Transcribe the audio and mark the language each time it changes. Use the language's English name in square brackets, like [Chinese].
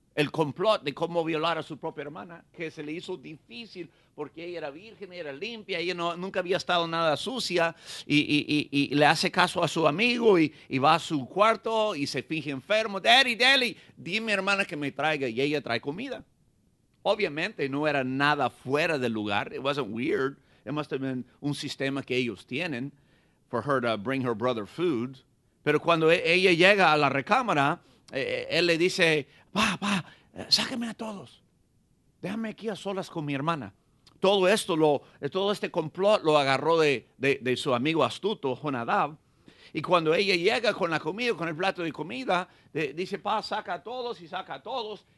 [Spanish] el complot de cómo violar a su propia hermana, que se le hizo difícil porque ella era virgen, era limpia, ella no, nunca había estado nada sucia, y le hace caso a su amigo y va a su cuarto y se finge enfermo. [English] Daddy, daddy, [Spanish] dime, hermana, que me traiga, y ella trae comida. Obviamente no era nada fuera del lugar. [English] It wasn't weird. It must have been [Spanish] un sistema que ellos tienen [English] for her to bring her brother food. [Spanish] Pero cuando ella llega a la recámara, él le dice, pa, sáqueme a todos. Déjame aquí a solas con mi hermana. Todo esto, todo este complot lo agarró de su amigo astuto, Jonadab. Y cuando ella llega con la comida, con el plato de comida, dice, pa, saca a todos, y saca a todos.